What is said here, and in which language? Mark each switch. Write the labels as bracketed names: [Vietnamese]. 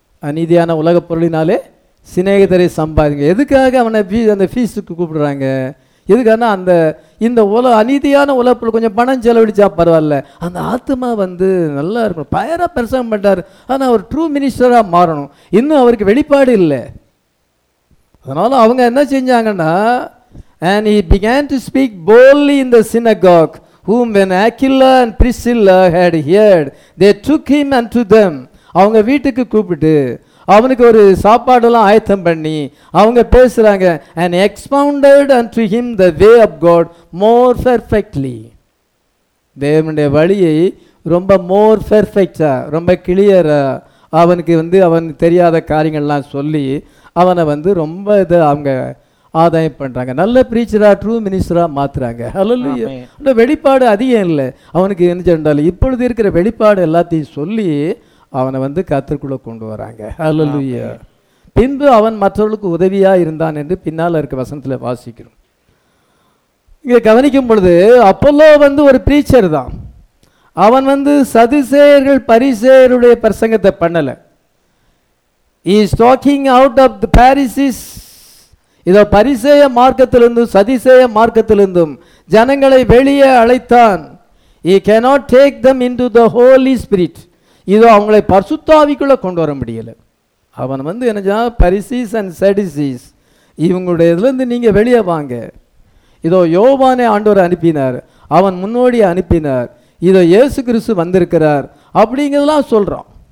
[Tamil] அநீதியான உலக பொருளினாலே சிநேகிதரை சம்பாதிங்க. எதுக்காக அவனை ஃபீஸ் அந்த ஃபீஸுக்கு கூப்பிடுறாங்க? எதுக்காகனா அந்த இந்த உலக அநீதியான உலக பொருள் கொஞ்சம் பணம் செலவழிச்சா பரவாயில்ல, அந்த ஆத்மா வந்து நல்லா இருக்கணும். பயரா பிரசங்கம் பண்ணிட்டார், ஆனால் அவர் ட்ரூ மினிஸ்டராக மாறணும். இன்னும் அவருக்கு வெளிப்பாடு இல்லை. அதனால அவங்க என்ன செஞ்சாங்கன்னா [English] and he began to speak boldly in the synagogue whom when Aquila and Priscilla had heard they took him unto them. [Tamil] அவங்க வீட்டுக்கு கூப்பிட்டு அவனுக்கு ஒரு சாப்பாடுலாம் ஆயத்தம் பண்ணி அவங்க பேசுறாங்க. [English] and expounded unto him the way of God more perfectly. [Tamil] தேவனுடைய வழியை ரொம்ப மோர் பெர்ஃபெக்டா ரொம்ப கிளியரா அவனுக்கு வந்து அவன் தெரியாத காரியங்கள்லாம் சொல்லி அவனை வந்து ரொம்ப இதை அவங்க ஆதாயம் பண்ணுறாங்க. நல்ல பிரீச்சராக ட்ரூ மினிஸ்டராக மாற்றுறாங்க. ஹல்லேலூயா. வெளிப்பாடு அதிகம் இல்லை அவனுக்கு. என்ன சொன்னாலும் இப்பொழுது இருக்கிற வெளிப்பாடு எல்லாத்தையும் சொல்லி அவனை வந்து கர்த்தருக்குள்ளே கொண்டு வராங்க. ஹல்லேலூயா. பின்பு அவன் மற்றவர்களுக்கு உதவியாக இருந்தான் என்று பின்னால் இருக்க வசனத்தில் வாசிக்கிறோம். இங்கே கவனிக்கும் பொழுது அப்பல்லோ வந்து ஒரு பிரீச்சர் தான். அவன் வந்து சதுசேயர்கள் பரிசேயருடைய பிரசங்கத்தை பண்ணலை. [English] He is talking out of the Pharisees. [Tamil] இத பரிசேய மார்க்கத்திலிருந்தும் சதிசேய மார்க்கத்திலிருந்தும் ஜனங்களை வெளியே அழைத்தான். [English] He cannot take them into the Holy Spirit. [Tamil] இது அவங்களை பரிசுத்தாவிக்குள்ள கொண்டு வர முடியல. அவன் வந்து என்ன பரிசீஸ் அண்ட் சதிசீஸ், இவங்களுடைய இதுலேருந்து நீங்கள் வெளியே வாங்க. இதோ யோவானை ஆண்டவர் அனுப்பினார், அவன் முன்னோடியை அனுப்பினார், இதோ இயேசு கிறிஸ்து வந்திருக்கிறார் அப்படிங்கிறதெல்லாம் சொல்கிறான்.